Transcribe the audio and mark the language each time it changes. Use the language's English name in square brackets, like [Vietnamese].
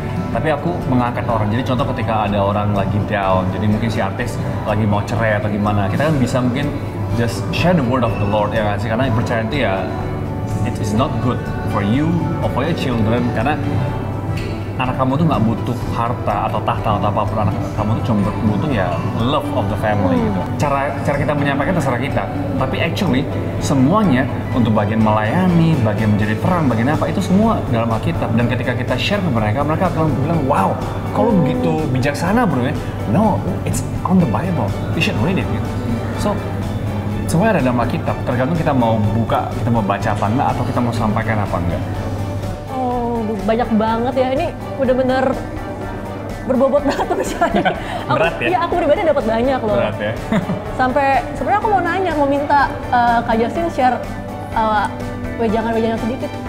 [Indonesian] Tapi aku mengangkat orang, jadi contoh ketika ada orang lagi down, jadi mungkin si artis lagi mau cerai atau gimana, kita kan bisa mungkin [English] just share the word of the Lord, [Indonesian] ya kan sih? Karena percaya itu ya, [English] it is not good for you or for your children, [Indonesian] karena anak kamu tuh gak butuh harta atau tahta atau apapun, anak kamu tuh cuma butuh ya [English] love of the family [Indonesian] gitu. Cara kita menyampaikan terserah kita, tapi actually semuanya untuk bagian melayani, bagian menjadi terang, bagian apa, itu semua dalam Alkitab. Dan ketika kita share ke mereka, mereka akan bilang, wow, kok lu begitu bijaksana bro ya? [English] No, it's on the Bible, you should read it gitu. [Indonesian] So, semua ada dalam Alkitab, tergantung kita mau buka, kita mau baca apa enggak, atau kita mau sampaikan apa enggak. Banyak banget ya, ini benar-benar berbobot banget tuh misalnya. Berat ya? Iya, aku pribadi dapat banyak loh. Berat ya? Sampai, sebenarnya aku mau nanya, mau minta Kak Justin share wejangan-wejangan sedikit.